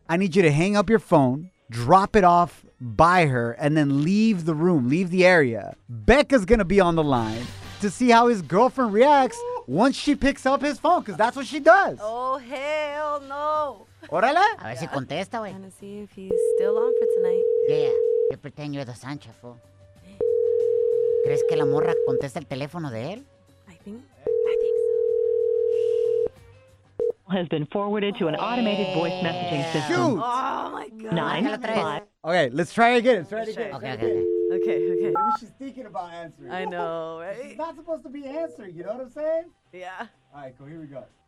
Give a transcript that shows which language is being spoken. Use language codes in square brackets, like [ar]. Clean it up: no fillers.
[en] I need you to hang up your phone, drop it off by her, and then leave the room, leave the area. Becca's going to be on the line to see how his girlfriend reacts once she picks up his phone, because that's what she does. Oh, hell no. [es] Órale. A ver si contesta, güey. [en] I'm gonna see if he's still on for tonight. Yeah, you pretend you're the Sancho, fool. [es] ¿Crees que la morra contesta el teléfono de él? [en] I think so. Has been forwarded to an automated voice messaging system. Shoot! Oh, my God. 9-5. Okay, let's try again. Let's try it again. Okay. Maybe she's thinking about answering. I know, right? She's not supposed to be answering, you know what I'm saying? Yeah. All right, cool. Here we go.